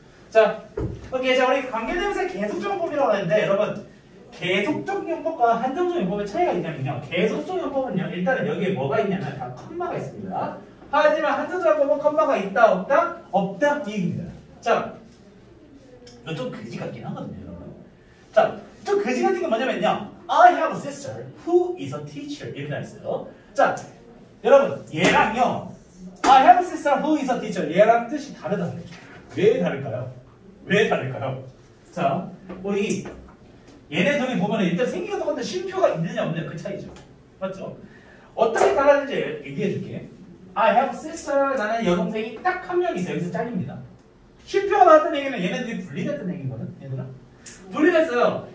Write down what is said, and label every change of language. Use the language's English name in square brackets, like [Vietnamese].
[Korean] 자, 오케이. 자, 우리 관계대명사 계속적법이라고 하는데 여러분 계속적 용법과 한정적 용법의 차이가 있냐면요. 계속적 용법은요, 일단은 여기에 뭐가 있냐면 다 컴마가 있습니다. 하지만 한정적 용법은 컴마가 있다, 없다? 없다, 이입니다. 자, 이건 좀 그지 같긴 하거든요, 여러분. 자, 좀 그지 같은 게 뭐냐면요. [English] I have a sister who is a teacher. [Korean] 이렇게 나왔어요. 자, 여러분, 얘랑요. [English] I have a sister who is a teacher. [Korean] 얘랑 뜻이 다르다는 거죠. 왜 다를까요? 왜 다를까요? 자, 우리, 얘네 등에 보면 일단 생긴 것도 근데 쉼표가 있느냐 없느냐 그 차이죠. 맞죠? 어떻게 달라지는지 얘기해 줄게. [English] I have a sister. [Korean] 나는 여동생이 딱 한 명 있어요. 여기서 짤립니다. 쉼표가 나왔던 얘기는 얘네 등이 분리됐던 얘기거든. 얘들아. 분리됐어요.